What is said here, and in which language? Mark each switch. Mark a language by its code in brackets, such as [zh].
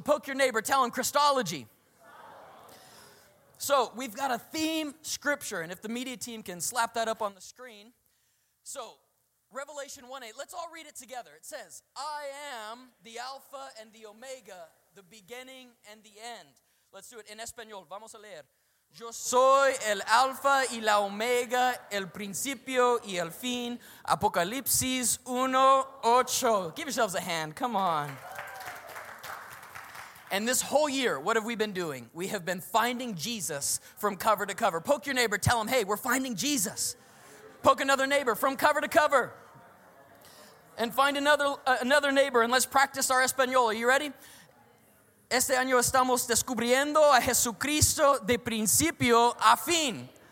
[en] Poke your neighbor, tell him Christology. So we've got a theme scripture, and if the media team can slap that up on the screen. So Revelation 1:8, let's all read it together. It says, I am the Alpha and the Omega, the beginning and the end. Let's do it in Espanol. [es] Vamos a leer. Yo soy el Alfa y la Omega, el principio y el fin. [en] Apocalipsis 1:8. Give yourselves a hand. Come on. And this whole year, what have we been doing? We have been finding Jesus from cover to cover. Poke your neighbor, tell him, hey, we're finding Jesus. Poke another neighbor from cover to cover. And find another neighbor, and let's practice our Espanol. Are you ready? [es] Este año estamos descubriendo a Jesucristo de principio a fin.